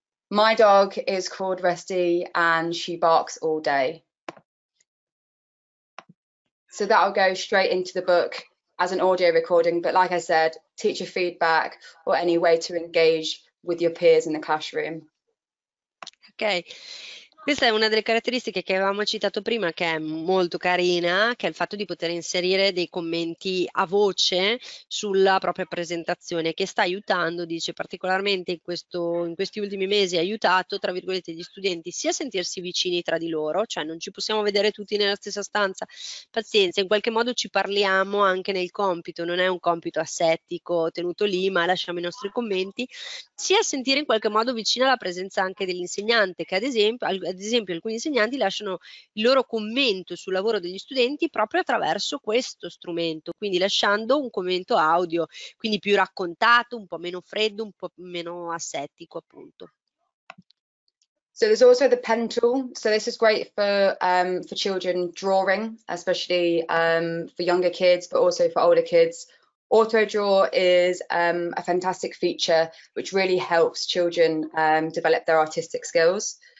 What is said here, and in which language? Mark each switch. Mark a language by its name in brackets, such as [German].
[English] My dog is called Rusty and she barks all day. So that will go straight into the book as an audio recording, but like I said, teacher feedback or any way to engage with your peers in the classroom. Ok. [Italian] Questa è una delle caratteristiche che avevamo citato prima, che è molto carina, che è il fatto di poter inserire dei commenti a voce sulla propria presentazione, che sta aiutando, dice, particolarmente in questi ultimi mesi, ha aiutato, tra virgolette, gli studenti sia a sentirsi vicini tra di loro, cioè non ci possiamo vedere tutti nella stessa stanza, pazienza, in qualche modo ci parliamo anche nel compito, non è un compito asettico tenuto lì, ma lasciamo i nostri commenti, sia a sentire in qualche modo vicina la presenza anche dell'insegnante, che ad esempio, alcuni insegnanti lasciano il loro commento sul lavoro degli studenti proprio attraverso questo strumento, quindi lasciando un commento audio, quindi più raccontato, un po' meno freddo, un po' meno asettico, appunto. [English] So there's also the pen tool. So this is great for children drawing, especially for younger kids, but also for older kids. Auto draw is a fantastic feature which really helps children develop their artistic skills.